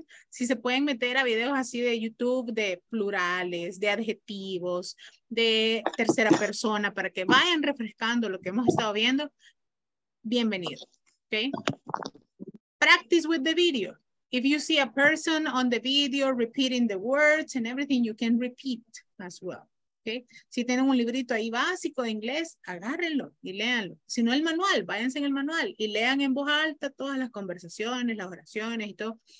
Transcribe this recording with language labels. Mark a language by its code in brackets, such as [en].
[es] Si se pueden meter a videos así de YouTube, de plurales, de adjetivos, de tercera persona, para que vayan refrescando lo que hemos estado viendo, bienvenido, okay? [en] Practice with the video. If you see a person on the video repeating the words and everything, you can repeat as well, okay? [es] Si tienen un librito ahí básico de inglés, agárrenlo y léanlo. Si no, el manual, váyanse en el manual y lean en voz alta todas las conversaciones, las oraciones y todo.